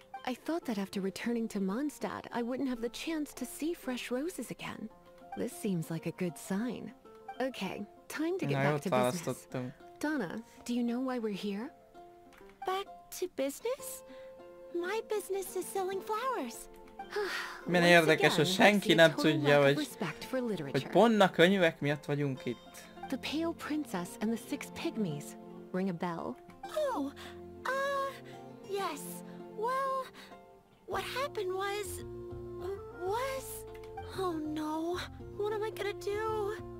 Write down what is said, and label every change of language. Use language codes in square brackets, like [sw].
[en] I thought that after returning to Mondstadt, I wouldn't have the chance to see fresh roses again. This seems like a good sign. Okay, time to get back to business. Donna, do you know why we're here? Back to business? My business is selling flowers. [hu] Mert érdekes, hogy senki nem tudja, hogy pont a könyvek miatt vagyunk itt. [en] The Pale Princess and the Six Pygmies. Ring a bell? Oh, yes. Well, what happened was... Oh no, what am I gonna do?